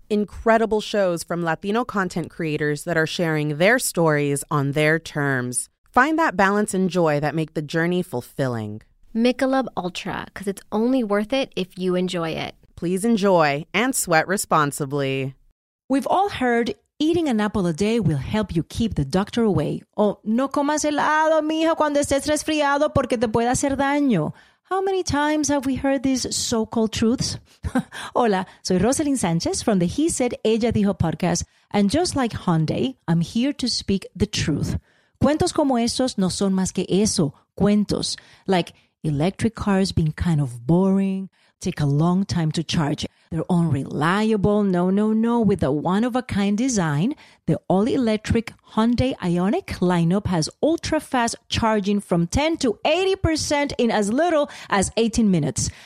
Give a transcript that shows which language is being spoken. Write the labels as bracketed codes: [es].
[en] Incredible shows from Latino content creators that are sharing their stories on their terms. Find that balance and joy that make the journey fulfilling. Michelob Ultra, because it's only worth it if you enjoy it. Please enjoy and sweat responsibly. We've all heard eating an apple a day will help you keep the doctor away. [es] Oh, no comas helado, mijo, cuando estés resfriado porque te puede hacer daño. [en] How many times have we heard these so-called truths? [es] Hola, soy [en] Rosalyn Sanchez from the He Said, Ella Dijo podcast. And just like Hyundai, I'm here to speak the truth. [es] Cuentos como esos no son más que eso, cuentos. [en] Like electric cars being kind of boring, take a long time to charge. They're unreliable. No. With a one-of-a-kind design, the all-electric Hyundai Ioniq lineup has ultra-fast charging from 10 to 80% in as little as 18 minutes.